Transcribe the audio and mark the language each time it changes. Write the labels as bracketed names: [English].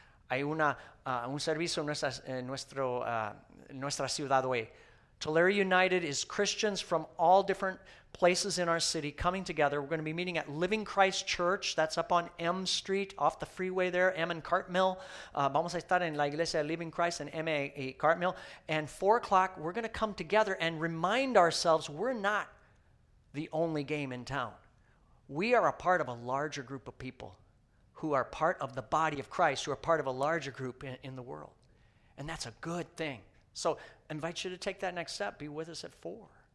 [Spanish] Hay un servicio en nuestra ciudad hoy. [English] Tulare United is Christians from all different places in our city coming together. We're going to be meeting at Living Christ Church. That's up on M Street, off the freeway there, M and Cartmill. [Spanish] Vamos a estar en la iglesia de Living Christ en M y Cartmill. [English] And 4 o'clock, we're going to come together and remind ourselves we're not the only game in town. We are a part of a larger group of people who are part of the body of Christ, who are part of a larger group in the world. And that's a good thing. So I invite you to take that next step. Be with us at 4.